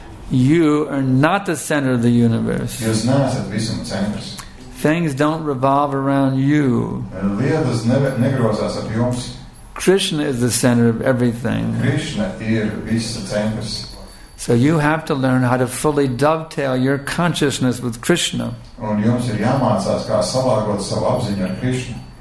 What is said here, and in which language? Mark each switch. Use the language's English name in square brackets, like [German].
[English] You are not the center of the universe. Things don't revolve around you. [Latvian] Lietas negrozās ap jums. [English] Krishna is the center of everything. [Latvian] Krishna ir visa centrs. [English] So you have to learn how to fully dovetail your consciousness with Krishna. [Latvian] Un jums ir jāmācās, kā salāgot savu apziņu ar Krishna.